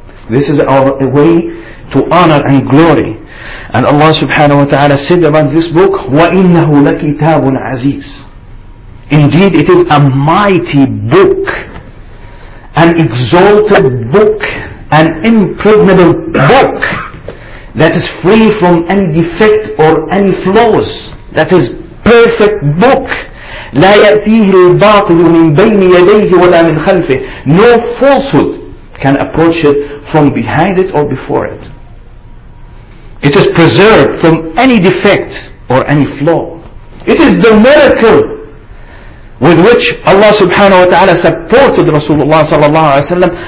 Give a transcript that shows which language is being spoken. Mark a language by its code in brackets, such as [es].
[en] This is our way to honor and glory. And Allah subhanahu wa ta'ala said about this book, [ar] وَإِنَّهُ لَكِتَابٌ عَزِيزٌ. [en] Indeed, it is a mighty book, an exalted book, an impregnable book that is free from any defect or any flaws. That is perfect book. [ar] لا يأتيه الباطل من بين يديه ولا من خلفه. [en] No falsehood can approach it from behind it or before it. It is preserved from any defect or any flaw. It is the miracle with which Allah subhanahu wa ta'ala supported Rasulullah sallallahu alayhi wa sallam.